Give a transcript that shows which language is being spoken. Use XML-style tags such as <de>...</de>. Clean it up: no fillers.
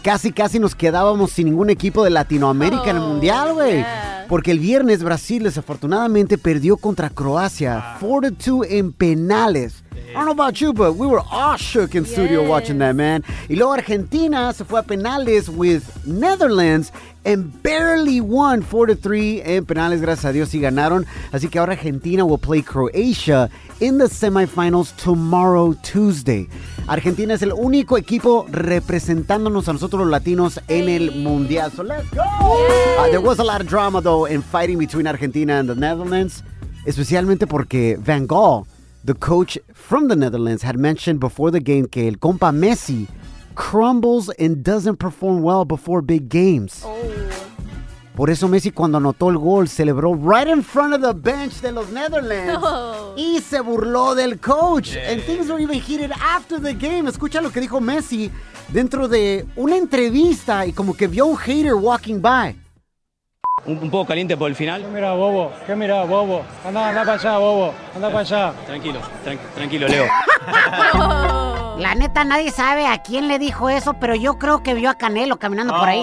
<es>Casi, casi nos quedábamos sin ningún equipo de Latinoamérica en el Mundial, güey.</es> <en>Yeah.</en> <es>Porque el viernes Brasil desafortunadamente perdió contra Croacia 4-2 en penales.</es> <en>I don't know about you, but we were all shook in studio watching that, man.</en> <es>Y luego Argentina se fue a penales</es> <en>with Netherlands and barely won</en> <es>4-3 en penales, gracias a Dios, y ganaron. Así que ahora</es> <en>Argentina will play Croatia in the semifinals tomorrow, Tuesday.</en> <es>Argentina es el único equipo representándonos a nosotros los latinos en el Mundial.</es> <en>So let's go! There was a lot of drama, though, in fighting between Argentina and the Netherlands,</en> <es>especialmente porque</es> <en>Van Gaal, the coach from the Netherlands, had mentioned before the game</en> <es>que el compa Messi</es> <en>crumbles and doesn't perform well before big games. Oh.</en> <es>Por eso Messi, cuando anotó el gol, celebró</es> <en>right in front of the bench</en> <es>de los Netherlands. Oh. Y se burló del coach.</es> <en>Yeah. And things were even heated after the game.</en> <es>Escucha lo que dijo Messi dentro de una entrevista y como que vio un hater</es> <en>walking by.</en> <es>Un poco caliente por el final. ¿Qué mira, bobo? Anda para allá, bobo. Anda para allá. Tranquilo, Leo. La neta, nadie sabe a quién le dijo eso, pero yo creo que vio a Canelo caminando por ahí.</es>